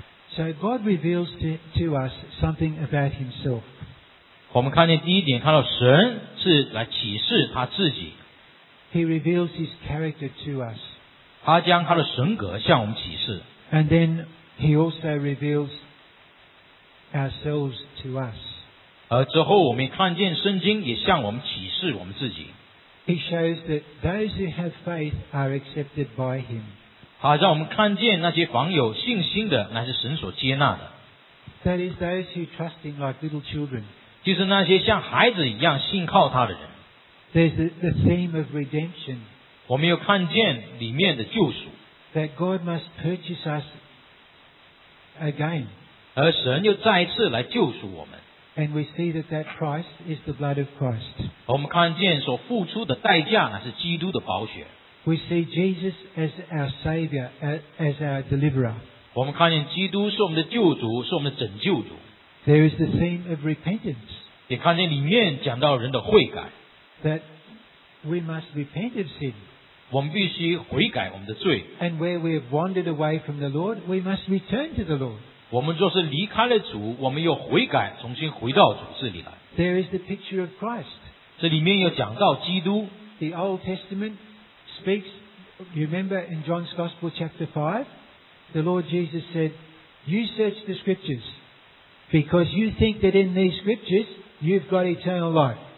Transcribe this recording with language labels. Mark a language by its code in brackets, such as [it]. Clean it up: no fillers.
[en] So God reveals to us something about himself. [zh] 我们看见第一点，看到神是来启示他自己。 [en] He reveals his character to us. [zh] 他将他的神格向我们启示。 [en] And then he also reveals ourselves to us. [zh] 而之后我们看见圣经也向我们启示我们自己。 [en] He shows that those who have faith are accepted by him. [zh] 好让我们看见那些凡有信心的乃是神所接纳的。 [en] That is those who trust him like little children. [zh] 就是那些像孩子一样信靠他的人。 [en] There's the theme of redemption. [zh] 我们又看见里面的救赎。 [en] That God must purchase us again. [zh] 而神又再一次来救赎我们。 [en] And we see that that price is the blood of Christ. [zh] 我们看见所付出的代价乃是基督的宝血。 [en] We see Jesus as our Savior, as our Deliverer. [zh] 我们看见基督是我们的救主，是我们的拯救主。 [en] There is the theme of repentance. [zh] 也看见里面讲到人的悔改。 [en] That we must repent of sin. [zh] 我们必须悔改我们的罪。 [en] And where we have wandered away from the Lord, we must return to the Lord. [zh] 我们若是离开了主，我们又悔改，重新回到主这里来。 [en] There is the picture of Christ. [zh] 这里面又讲到基督。 [en] The Old Testament speaks, you remember in John's Gospel chapter 5, the Lord Jesus said, You search the scriptures, because you think that in these scriptures, you've got eternal life.